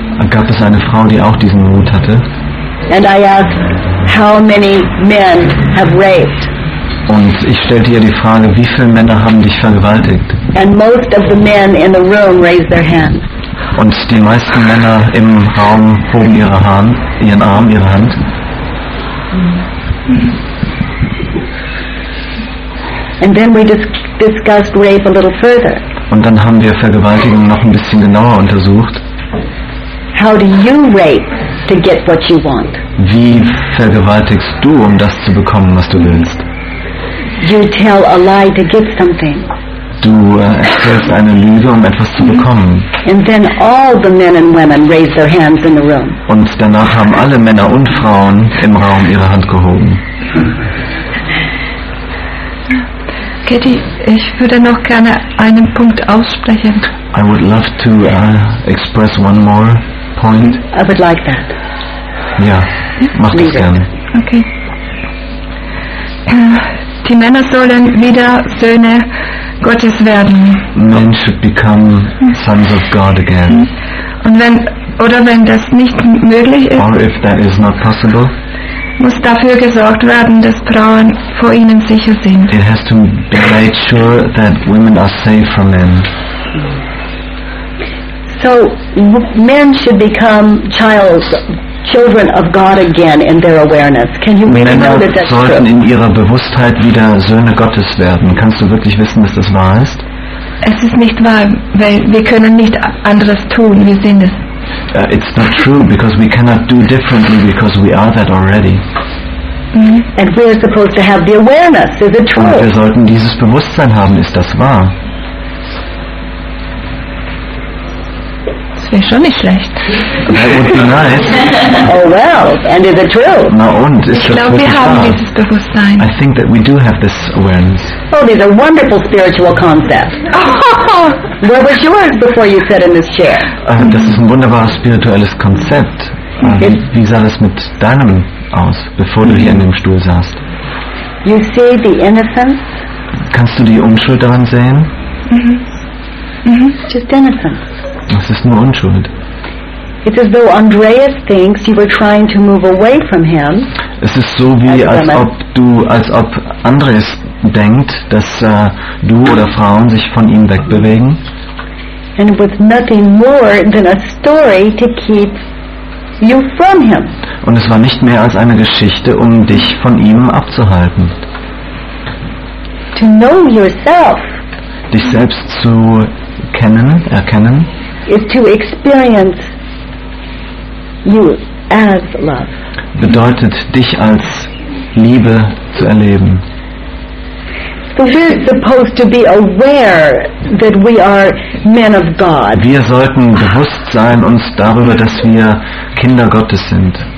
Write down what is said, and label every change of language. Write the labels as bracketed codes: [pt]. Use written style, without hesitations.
[de] Gab es eine Frau, die auch diesen Mut hatte? [en] And I asked, how many men have raped? [de] Und ich stellte ihr die Frage, wie viele Männer haben dich vergewaltigt? [en] And most of the men in the room raised their hands. [de] Und die meisten Männer im Raum hoben ihre Hand. [en] And then we discussed rape a little further. [de] Und dann haben wir Vergewaltigung noch ein bisschen genauer untersucht. [en] How do you rape to get what you want? [de] Wie vergewaltigst du, um das zu bekommen, was du willst? [en] You tell a lie to get something. [de] Du erzählst eine Lüge, um etwas zu bekommen. [en] And then all the men and women raised their hands in the room. [de] Und danach haben alle Männer und Frauen im Raum ihre Hand gehoben. Kitty, ich würde noch gerne einen Punkt aussprechen. [en] I would love to express one more point. I would like that. [de] Ja, mach das gerne. [en] Okay. [de] Die Männer sollen wieder Söhne Gottes werden. [en] Men should become sons of God again. [de] Und wenn das nicht möglich ist, [en] or if that is not possible, [de] muss dafür gesorgt werden, dass Frauen vor ihnen sicher sind. [en] It has to be made sure that women are safe from men. So men should become children of God again in their awareness. Can you [de] Männer [en] know that that's [de] sollten [en] true? [de] In ihrer Bewusstheit wieder Söhne Gottes werden. Kannst du wirklich wissen, dass das wahr ist? Es ist nicht wahr, weil wir können nicht anderes tun. Wir sind es. [en] It's not true because we cannot do differently because we are that already. Mm-hmm. And we're supposed to have the awareness. Is it true? [de] Und wir sollten dieses Bewusstsein haben. Ist das wahr? Das wäre schon nicht schlecht. [en] That would be nice. Oh well, and is it true? [de] Na und, ist ich das glaube, wir haben wahr? Dieses Bewusstsein. [en] I think that we do have this awareness. Oh, these are wonderful spiritual concepts. Where was yours before you sat in this chair? [de] Das ist ein wunderbares spirituelles Konzept. Wie sah das mit deinem aus, bevor du hier in dem Stuhl saßt? [en] You see the innocence? [de] Kannst du die Unschuld daran sehen? [en] Just innocence. [de] Es ist nur Unschuld. [en] It's as though Andreas thinks you were trying to move away from him. [de] Es ist so wie als ob Andreas denkt, dass du oder Frauen sich von ihm wegbewegen. [en] And it was nothing more than a story to keep you from him. [de] Und es war nicht mehr als eine Geschichte, um dich von ihm abzuhalten. [en] To know yourself. [de] Dich selbst zu erkennen. [en] Is to experience you as love. [de] Bedeutet, dich als Liebe zu erleben. [en] So we're supposed to be aware that we are men of God. [de] Wir sollten bewusst sein uns darüber, dass wir Kinder Gottes sind.